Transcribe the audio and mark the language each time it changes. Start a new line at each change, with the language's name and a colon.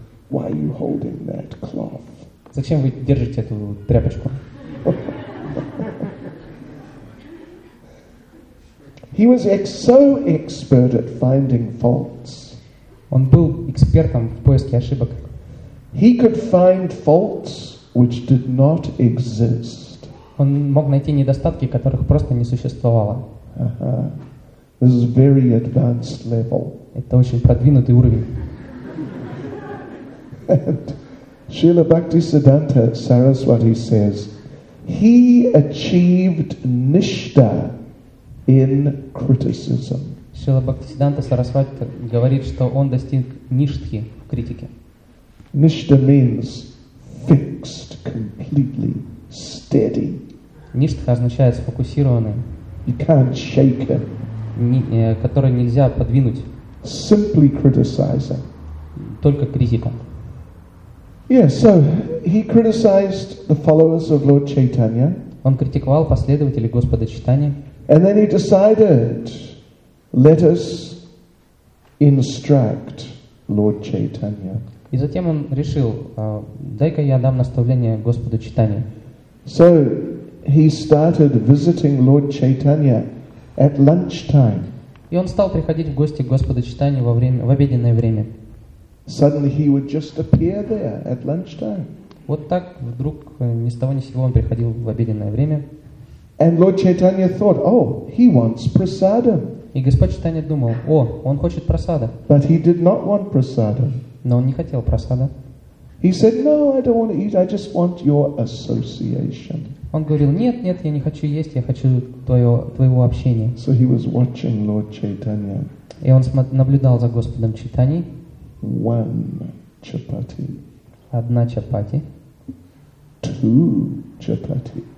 English: Why are you holding that cloth?
Russian: Зачем вы держите эту тряпочку?
English: He was so expert at finding faults.
Russian: Он был экспертом в поиске ошибок.
English: He could find faults which did not exist.
Russian: Он мог найти недостатки, которых просто не существовало.
English: Uh-huh. This is very advanced level.
Russian: Это очень продвинутый уровень.
English: And Srila Bhaktisiddhanta Saraswati says, he achieved nishta in criticism.
Russian: Шрила Бхактисиддханта Сарасвати говорит, что он достиг ништхи в критике.
English: Ништа means fixed, completely steady.
Russian: Ништха означает сфокусированный.
English: You can't shake him.
Russian: Который нельзя подвинуть.
English: Simply criticizing.
Russian: Только критика.
English: Yeah, so he criticized the followers of Lord Chaitanya.
Russian: Он критиковал последователей Господа Чайтаньи.
English: And then he decided, let us instruct Lord Chaitanya.
Russian: И затем он решил, дай-ка я дам наставление Господу Чайтанье.
English: So he started visiting Lord Chaitanya at lunchtime.
Russian: И он стал приходить в гости к Господу Чайтанье в обеденное время.
English: Suddenly he would just appear there at lunchtime.
Russian: Вот так вдруг ни с того ни с сего он приходил в обеденное время.
English: And Lord Chaitanya thought, oh, he wants prasadam.
Russian: И Господь Чайтанья думал, о, он хочет прасада.
English: But he did not want prasadam.
Russian: Но он не хотел прасада.
English: He said, no, I don't want to eat, I just want your association.
Russian: Он говорил, нет, нет, я не хочу есть, я хочу твоего общения.
English: So he was watching Lord Chaitanya.
Russian: И он наблюдал за Господом Чайтаньей.
English: One chapati.
Russian: Одна чапати.
English: Two chapati.